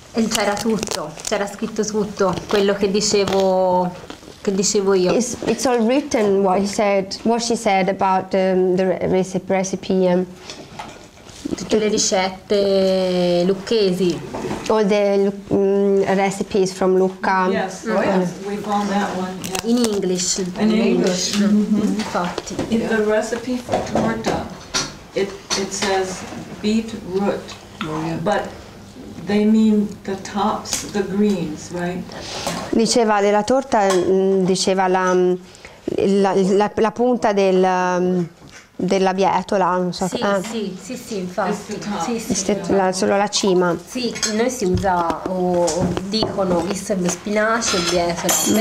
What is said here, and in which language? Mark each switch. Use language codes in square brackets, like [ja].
[it] C'era tutto, c'era scritto tutto quello che dicevo io. [en] It's all written what he said, what she said about the recipe. [it] Tutte le ricette lucchesi. [en] All the recipes from Lucca. Yes, oh yes, we found that one. Yes. In English. In English. [it] Mm-hmm. Infatti. [en] In the recipe for torta, it says beet root, but they mean the tops, the greens, right? [it] Diceva della torta, diceva la punta della bietola, non so. Sì, infatti. Solo la cima. Sì, noi si usa, dicono, visto il spinace, bietola.